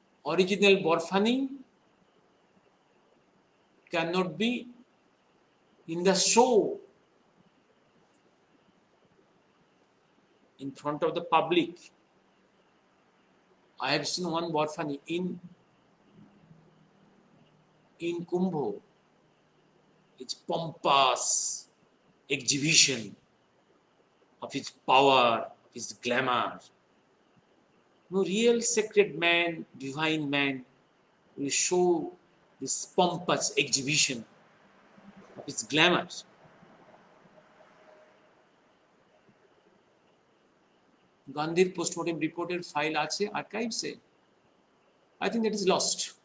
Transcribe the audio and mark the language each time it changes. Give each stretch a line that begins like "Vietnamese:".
English: Original Barfani can not be in the show in front of the public. I have seen one Borfani in Kumbho. It's pompous exhibition of his power, of his glamour. No real sacred man, divine man will show this pompous exhibition of his glamour.
Bangla: গান্ধীর postmortem রিপোর্টের file আছে আর্কাইভসে,
English: I think that is lost.